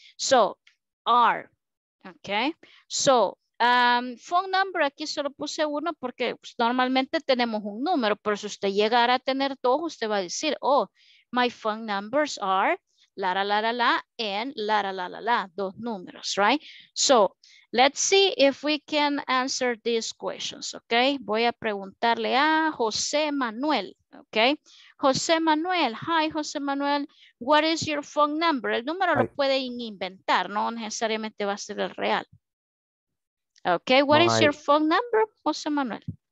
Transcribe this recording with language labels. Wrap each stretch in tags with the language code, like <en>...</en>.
<en>So, are, ¿ok?</en> <es>So, phone number, aquí solo puse uno porque pues, normalmente tenemos un número, pero si usted llegara a tener dos, usted va a decir,</es> <en>oh, my phone numbers are</en> <es>la la la la la and la la la la la, dos números, right?</es> <en>So let's see if we can answer these questions, okay?</en> <es>Voy a preguntarle a José Manuel, okay?</es> <en>José Manuel, hi José Manuel, what is your phone number?</en> <es>El número lo puede inventar, no necesariamente va a ser el real.</es> <en>Okay, what is your phone number, José Manuel?</en>